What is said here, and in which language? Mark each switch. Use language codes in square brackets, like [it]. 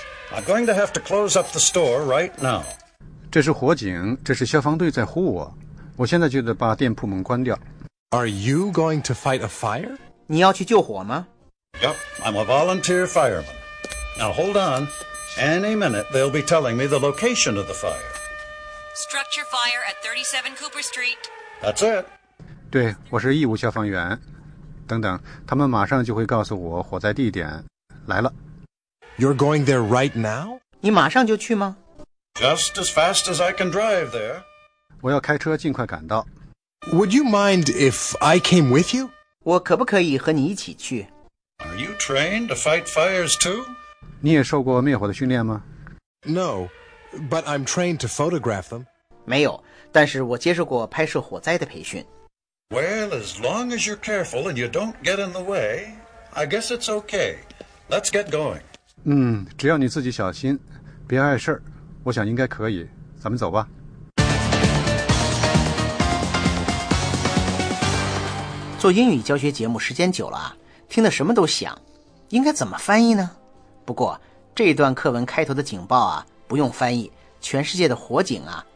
[en] I'm going to have to close up the store right now. [zh] 这是火警，这是消防队在呼我，我现在就得把店铺门关掉。 [en] Are you going to fight a fire? [zh] 你要去救火吗？ [en] Yep, I'm a volunteer fireman. Now hold on. Any minute they'll be telling me the location of the fire. Structure fire at 37 Cooper Street. That's it. [zh] 对，我是义务消防员。等等，他们马上就会告诉我火灾地点。来了。 [en] You're going there right now? [zh] 你马上就去吗？ [en] Just as fast as I can drive there. [zh] 我要开车尽快赶到。 [en] Would you mind if I came with you? [zh] 我可不可以和你一起去？ [en] Are you trained to fight fires too? [zh] 你也受过灭火的训练吗？ [en] No, but I'm trained to photograph them. [zh] 没有，但是我接受过拍摄火灾的培训。 [en] Well, as long as you're careful and you don't get in the way, I guess it's okay. Let's get going. [zh] 只要你自己小心，别碍事儿，我想应该可以，咱们走吧。做英语教学节目时间久了啊，听得什么都想，应该怎么翻译呢？不过这段课文开头的警报啊，不用翻译，全世界的火警啊